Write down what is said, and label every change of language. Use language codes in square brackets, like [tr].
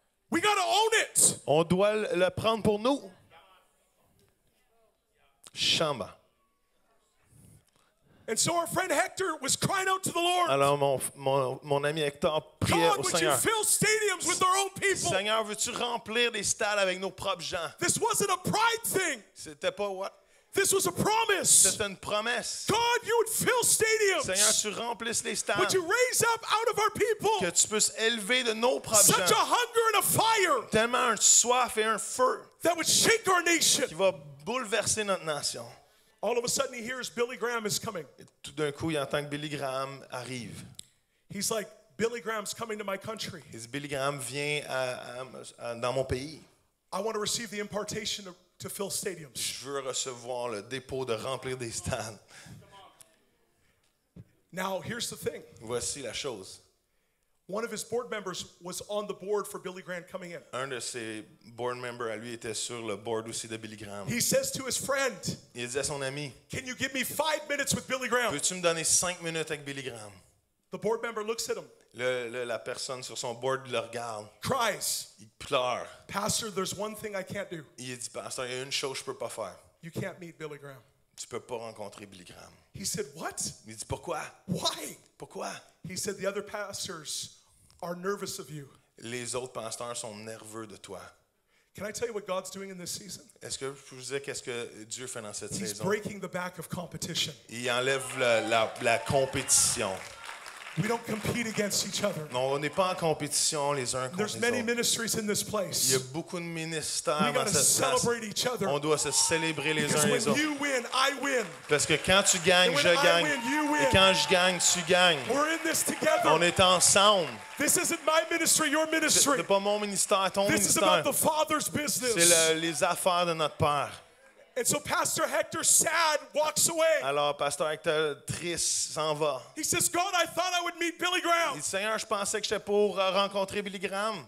[en] We gotta own it. [fr] On doit le prendre pour nous. Chamba. [en] And so our friend Hector was crying out to the Lord. [fr] Alors mon ami Hector priait au Seigneur. [en] God, would you fill stadiums with our own people? [fr] Seigneur, veux-tu remplir des stades avec nos propres gens? [en] This wasn't a pride thing. [fr] C'était pas what? [en] This was a promise. [fr] C'est une promesse. [en] God, you would fill stadiums. [fr] Seigneur, tu remplisses les stades. [en] Would you raise up out of our people? [fr] Que tu puisses élever de nos propres gens. [en] Such a hunger and a fire. [fr] Tellement une soif et un feu. [en] That would shake our nation. [fr] Qui va bouleverser notre nation. [en] All of a sudden, he hears Billy Graham is coming. [fr] Et tout d'un coup, il entend que Billy Graham arrive. [en] He's like, Billy Graham's coming to my country. [fr] Et Billy Graham vient dans mon pays. [en] I want to receive the impartation of to fill stadiums. [fr] Je veux recevoir le dépôt de remplir des stades. [en] Now, here's the thing. [fr] Voici la chose. [en] One of his board members was on the board for Billy Graham coming in. [fr] Un de ses board members à lui était sur le board aussi de Billy Graham. [en] He says to his friend, [fr] il dit à son ami, [en] "Can you give me 5 minutes with Billy Graham?" [fr] Peux-tu me donner 5 minutes avec Billy Graham? [en] The board member looks at him. [fr] La personne sur son board le regarde. [en] Cries. [fr] Il pleure. [en] Pastor, there's one thing I can't do. [fr] Il dit, pasteur, il y a une chose que je peux pas faire. [en] You can't meet Billy Graham. [fr] Tu peux pas rencontrer Billy Graham. [en] He said, what? [fr] Il dit, pourquoi? [en] Why? [fr] Pourquoi? [en] He said, the other pastors are nervous of you. [fr] Les autres pasteurs sont nerveux de toi. [en] Can I tell you what God's doing in this season? [fr] Est-ce que je peux vous dire qu'est-ce que Dieu fait dans cette [en] He's [fr] saison? [en] Breaking the back of competition. [fr] Il enlève la compétition. [en] We don't compete against each other. [fr] Non, on n'est pas en compétition les uns contre les autres. [en] There's many ministries in this place. [fr] Il y a beaucoup de ministères dans cette place. [en] We gotta celebrate each other. [fr] On doit se célébrer les uns les autres. [en] When you win, I win. [fr] Parce que quand tu gagnes, je gagne. [en] When I win, you win. [fr] Et quand je gagne, tu gagnes. [en] We're in this together. [fr] On est ensemble. [en] This isn't my ministry, your ministry. [fr] C'est pas mon ministère, ton ministère. [en] This is about the Father's business. [fr] C'est les affaires de notre Père. [en] And so Pastor Hector, sad, walks away. [fr] Alors Pasteur Hector triste s'en va. [en] He says, "God, I thought I would meet Billy Graham." [fr] Et Seigneur, je pensais que j'étais pour rencontrer Billy Graham.